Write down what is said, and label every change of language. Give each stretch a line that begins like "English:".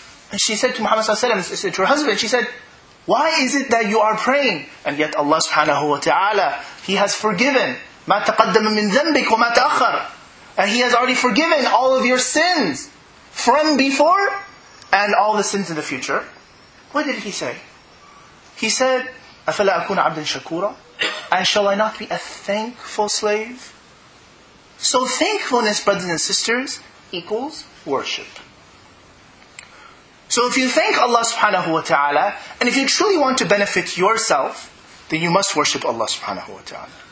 English: And she said to Muhammad sallallahu alayhi wa sallam, to her husband, she said, why is it that you are praying? And yet Allah subhanahu wa ta'ala, He has forgiven
Arabic: ما تقدم من ذنبك وما تأخر.
English: And He has already forgiven all of your sins from before and all the sins in the future. What did He say? He said,
Arabic: أَفَلَا أَكُونَ عَبْدًا شَكُورًا.
English: And shall I not be a thankful slave? So thankfulness, brothers and sisters, equals worship. So if you thank Allah subhanahu wa ta'ala, and if you truly want to benefit yourself, then you must worship Allah subhanahu wa ta'ala.